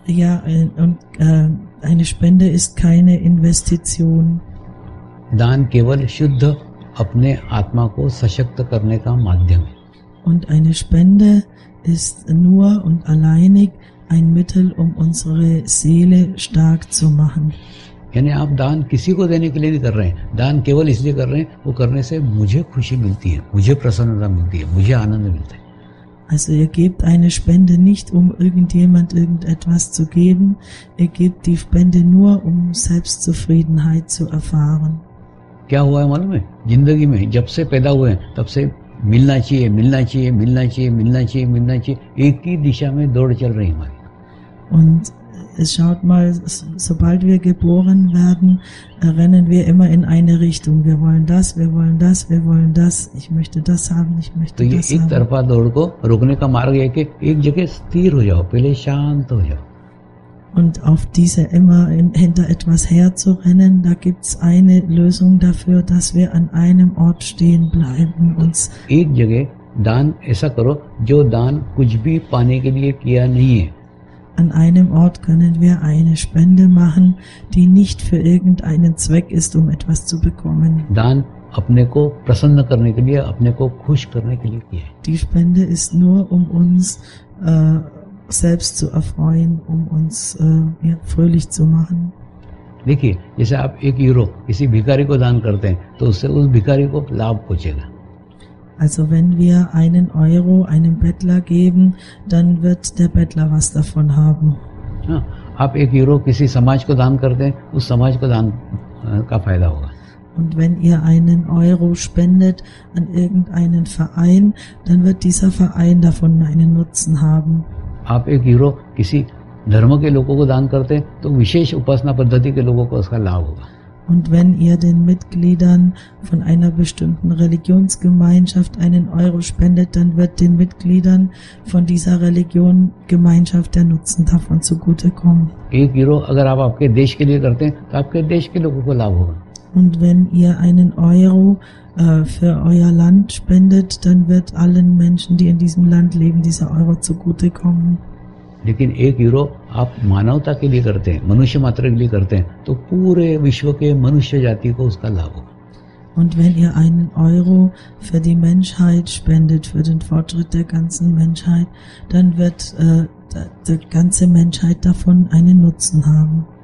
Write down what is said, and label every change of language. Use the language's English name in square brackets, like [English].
[German] Ja, und eine Spende ist keine Investition. [Hindi] Dann keval shuddh apne atma ko sashakt karne ka madhyam. [German] Und eine Spende ist nur und alleinig ein Mittel, um unsere Seele stark zu machen. [Hindi] यानी आप दान किसी को देने के लिए नहीं कर रहे हैं, दान केवल इसलिए कर रहे हैं, वो करने से मुझे खुशी मिलती है, मुझे प्रसन्नता मिलती है, मुझे आनंद मिलता है. [German] Also ihr gebt eine Spende nicht, um irgendjemand irgendetwas zu geben. Ihr gebt die Spende nur, um Selbstzufriedenheit zu erfahren. [Hindi] क्या हुआ है मालूम है? जिंदगी में जब से पैदा हुए हैं, तब से मिलना चाहिए, मिलना चाहिए, मिलना चाहिए, मिलना चाहिए, मिलना चाहिए, एक ही दिशा में दौड़ चल रही हमारी. [German] Und es schaut mal, sobald wir geboren werden, rennen wir immer in eine Richtung. Wir wollen das, wir wollen das, wir wollen das. Ich möchte das haben, ich möchte das haben. [Hindi] तो ये एक तरफा दौड़ को रोकने का मार्ग है कि एक जगह स्थिर हो जाओ, पहले शांत हो जाओ. [German] Und auf diese immer hinter etwas herzurennen, da gibt es eine Lösung dafür, dass wir an einem Ort stehen bleiben, uns [Hindi] एक जगह दान ऐसा करो जो दान कुछ भी पाने के लिए किया नहीं है. [German] An einem Ort können wir eine Spende machen, die nicht für irgendeinen Zweck ist, um etwas zu bekommen. [Hindi] दान अपने को प्रसन्न करने के लिए, अपने को खुश करने के लिए किया. [German] Die Spende ist nur um uns selbst zu erfreuen, um uns fröhlich zu machen. [Hindi] देखिए, जैसे आप एक यूरो किसी भिखारी को दान करते हैं तो उससे उस भिखारी को लाभ पहुंचेगा. [German] Also wenn wir einen Euro einem Bettler geben, dann wird der Bettler was davon haben. [Hindi] आप एक यूरो किसी समाज को दान करते हैं, उस समाज को दान का फायदा होगा. [German] Und wenn ihr einen Euro spendet an irgendeinen Verein, dann wird dieser Verein davon einen Nutzen haben. [Hindi] आप एक यूरो किसी धर्म के लोगों को दान करते हैं तो विशेष उपासना पद्धति के लोगों को उसका लाभ होगा. [German] Und wenn ihr den Mitgliedern von einer bestimmten Religionsgemeinschaft einen Euro spendet, dann wird den Mitgliedern von dieser Religionsgemeinschaft der Nutzen davon zugutekommen. [Hindi] एक यूरो अगर आप आपके देश के लिए करते हैं तो आपके देश के लोगों को लाभ होगा. [German] Und wenn ihr einen Euro für euer Land spendet, dann wird allen Menschen, die in diesem Land leben, dieser Euro zugutekommen. [Hindi] लेकिन एक यूरो आप मानवता के लिए करते हैं, मनुष्य मात्र के लिए करते हैं, तो पूरे विश्व के मनुष्य जाति को उसका लाभ होगा. [German] Und wenn ihr einen Euro für die Menschheit spendet, für den Fortschritt der ganzen Menschheit, dann wird die ganze Menschheit davon einen Nutzen haben.